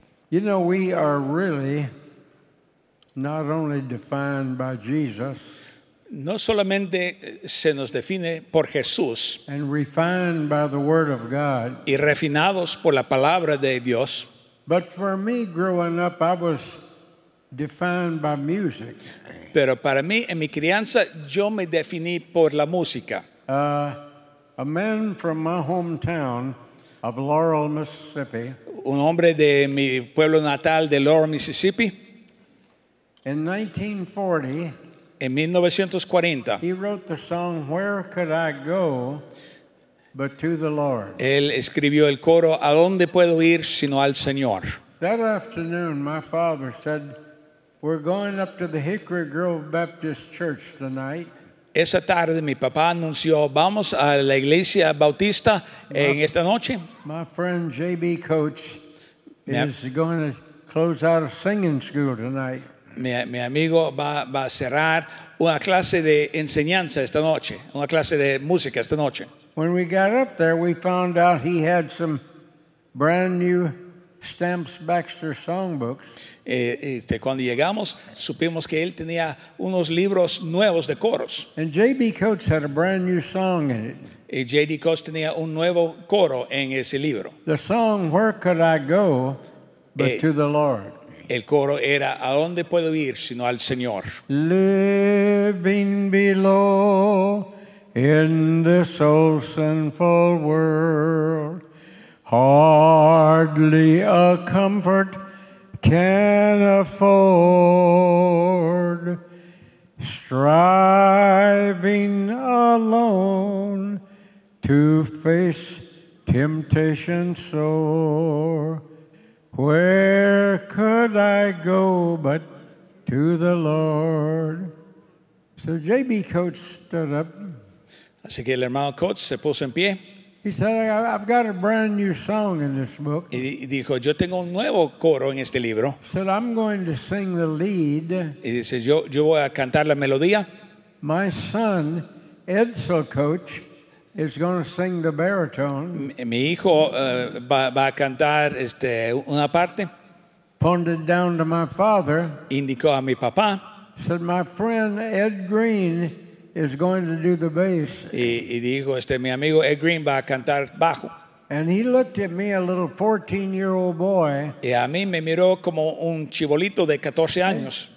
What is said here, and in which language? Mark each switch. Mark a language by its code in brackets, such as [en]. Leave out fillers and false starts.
[en] You know, we are really not only defined by Jesus. [es] No solamente se nos define por Jesús. [en] And refined by the Word of God. [es] Y refinados por la palabra de Dios. [en] But for me, growing up, I was defined by music. [es] Pero para mí, en mi crianza, yo me definí por la música. [en] A man from my hometown of Laurel, Mississippi. [es] Un hombre de mi pueblo natal de Laurel, Mississippi. [en] In 1940, [es] en 1940, [en] he wrote the song "Where Could I Go But to the Lord." [es] Él escribió el coro "¿A dónde puedo ir sino al Señor?" [en] That afternoon, my father said, "We're going up to the Hickory Grove Baptist Church tonight." [es] Esa tarde mi papá anunció, vamos a la iglesia bautista en esta noche. [en] My friend J.B. Coach is going to close out a singing school tonight. [es] Mi amigo va a cerrar una clase de enseñanza esta noche, una clase de música esta noche. [en] When we got up there, we found out he had some brand new Stamps Baxter songbooks. [es] Cuando llegamos, supimos que él tenía unos libros nuevos de coros. [en] And J.B. Coates had a brand new song in it. [es] Y J.D. Coates tenía un nuevo coro en ese libro. [en] The song "Where Could I Go But to the Lord." [es] El coro era "¿A dónde puedo ir sino al Señor?" [en] Living below in this old sinful world, hardly a comfort can afford, striving alone to face temptation sore. Where could I go but to the Lord? So J.B. Coates stood up. [es] Así que el hermano Coates se puso en pie. [en] He said, "I've got a brand new song in this book." [es] Y dijo, "Yo tengo un nuevo coro en este libro." [en] He said, "I'm going to sing the lead." [es] Y dice, yo voy a cantar la melodía. [en] My son, Edsel Coach, is going to sing the baritone. [es] Mi hijo va a cantar una parte. [en] Pointed down to my father. [es] Indicó a mi papá. [en] Said, "My friend Ed Green is going to do the bass." [es] Y dijo, mi amigo Ed Green va a cantar bajo. [en] And he looked at me, a little 14-year-old boy. [es] Y a mí me miró como un chibolito de 14 años.